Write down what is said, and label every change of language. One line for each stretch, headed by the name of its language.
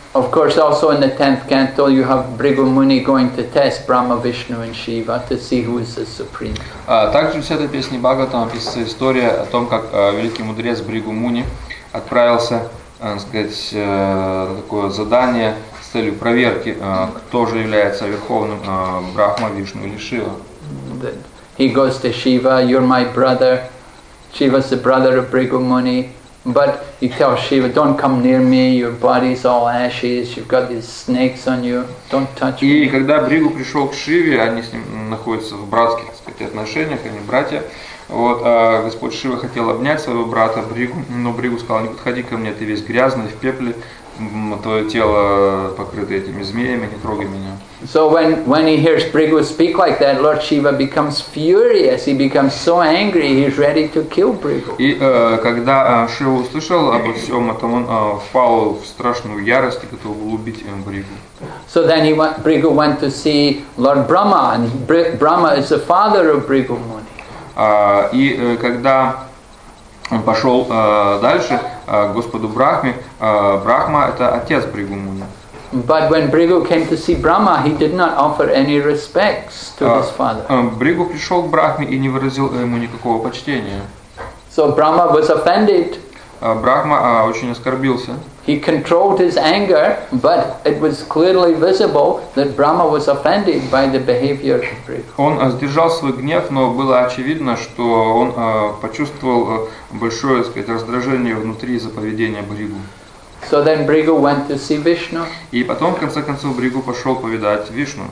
English: Of course, also in the 10th canto, you have Bhrigu Muni going to test Brahma, Vishnu and Shiva to see who is the Supreme.
Russian: Также в 10-й песне Бхагаватам описывается история о том, как великий мудрец Бригу Муни отправился, так сказать, на такое задание с целью проверки, кто же является верховным Брахма, Вишну или Шива.
English: He goes to Shiva, you're my brother. Shiva's the brother of Bhrigu Muni. But he tells Shiva, don't come near me, your body's all ashes, you've got these snakes on you, don't touch me.
Russian: И когда Бригу пришел к Шиве, они с ним находятся в братских, так сказать, отношениях, они братья. Вот, Господь Шива хотел обнять своего брата Бригу, но Бригу сказал: не подходи ко мне, ты весь грязный, в пепле, твое тело покрыто этими змеями, не трогай меня.
English: So when he hears Bhrigu speak like that, Lord Shiva becomes furious. He becomes so angry. He's ready to kill Bhrigu.
Russian: И когда Шива услышал обо всем этом, он впал в страшную ярость и готов был убить Бригу.
English: So then Bhrigu went to see Lord Brahma, and Brahma is the father of Bhrigu Muni.
Russian: И когда он пошел дальше к Господу Брахме, Брахма это отец Бригу Муни.
English: But when Bhrigu came to see Brahma, he did not offer any respects to his father.
Russian: Бригу пришел к Брахме и не выразил ему никакого почтения.
English: So Brahma was offended.
Russian: Брахма очень оскорбился.
English: He controlled his anger, but it was clearly visible that Brahma was offended by the behavior of Bhrigu.
Russian: Он сдержал свой гнев, но было очевидно, что он почувствовал большое, так сказать, раздражение внутри из-за поведения Бригу.
English: So then Bhrigu went to see Vishnu.
Russian: И потом, в конце концов, Бригу пошел повидать Вишну.